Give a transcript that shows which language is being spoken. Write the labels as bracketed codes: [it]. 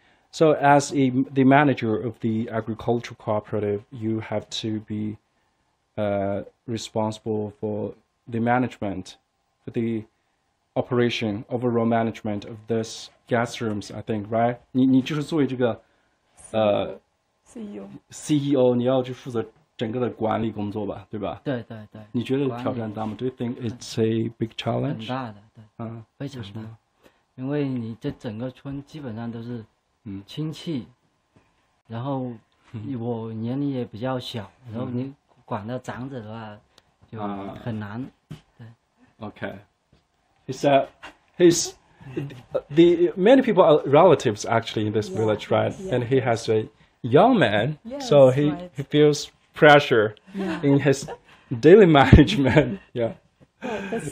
[en] So as the manager of the agricultural cooperative, you have to be responsible for the management, for the operation, overall management of this guest rooms, I think, right? [zh] 你就是作为这个, [en] CEO, [zh] 你要去负责整个的管理工作吧，对吧？对对对。你觉得挑战大吗？ [en] Do you think it's a big challenge? [zh] 很大的，对，非常大。因为你这整个村基本上都是亲戚，然后我年龄也比较小，然后你管到长者的话，就很难, [en] okay. He said he's the many people are relatives actually in this village, right? Yeah. And he has a young man, yes, so he, right. he feels pressure yeah. in his daily management. Yeah. Oh, that's